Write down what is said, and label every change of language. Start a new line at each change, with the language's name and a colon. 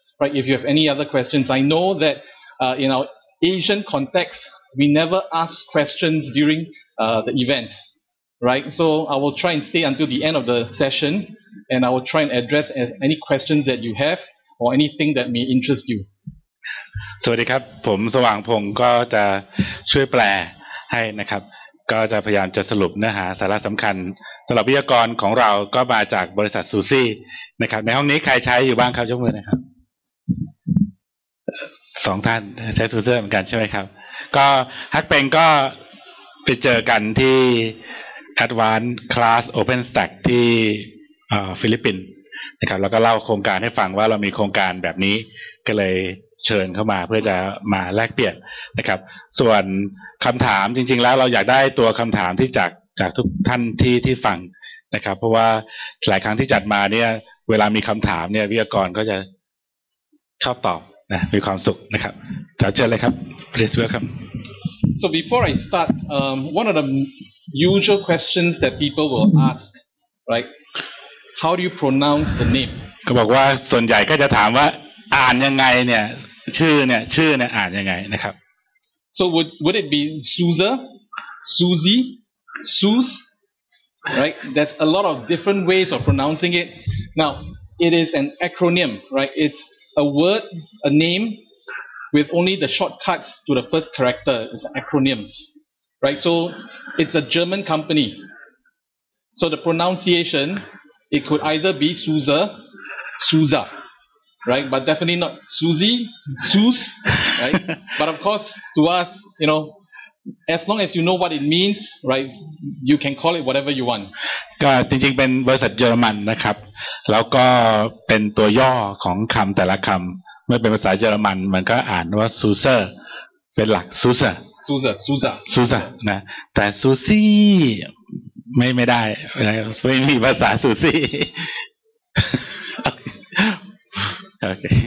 English: Right, if you have any other questions. I know that in our Asian context, we never ask questions during the event. Right, so I will try and stay until the end of the session and I will try and address any questions that you have or anything that may interest you.
Thai: สวัสดีครับผมสว่างพงศ์ก็จะช่วยแปลให้นะครับก็จะพยายามจะสรุปเนื้อหาสาระสำคัญสำหรับวิทยากรของเราก็มาจากบริษัทซูซี่นะครับในห้องนี้ใครใช้อยู่บ้างครับยกมือนะครับสองท่านใช้ซูซี่เหมือนกันใช่ไหมครับก็ฮักเปงก็ไปเจอกันที่Advanced Class OpenStack ที่ฟิลิปปินส์นะครับแล้วก็เล่าโครงการให้ฟังว่าเรามีโครงการแบบนี้ก็เลย ชิญเข้ามาเพื่อจะมาแลกเปลี่ยนนะครับส่วนคำถามจริงๆแล้วเราอยากได้ตัวคำถามที่จากทุกท่านที่ฟังนะครับเพราะว่าหลายครั้งที่จัดมาเนี่ยเวลามีคำถามเนี่ยวิทยากรก็จะชอบตอบนะมีความสุขนะครับขอเชิญเลยครับเรียนเชิญครับ
English: So before I start one of the usual questions that people will ask right how do you pronounce the name
Thai: ก็บอกว่าส่วนใหญ่ก็จะถามว่าอ่านยังไงเนี่ยชื่อเนี่ยอ่านยังไงนะครับ
English: So would it be Suza Susie Sus right there's a lot of different ways of pronouncing it now it is an acronym right it'sA word, a name, with only the shortcuts to the first character. It's acronyms, right? So it's a German company. So the pronunciation, it could either be Suza, Suza, right? But definitely not Susie, Sus, right? But of course, to us, you know, as long as you know what it means, right? You can call it whatever you want.
Thai: ก็จริงๆเป็นบริษัทเยอรมันนะครับแล้วก็เป็นตัวย่อของคำแต่ละคำเมื่อเป็นภาษาเยอรมันมันก็อ่านว่าซูเซอร์เป็นหลักซูเซอร์ซูเซอร์ซูเซอร์ซูเซอร์นะแต่ซูซี่ไม่ได้ไม่มีภาษาซูซี่โอเค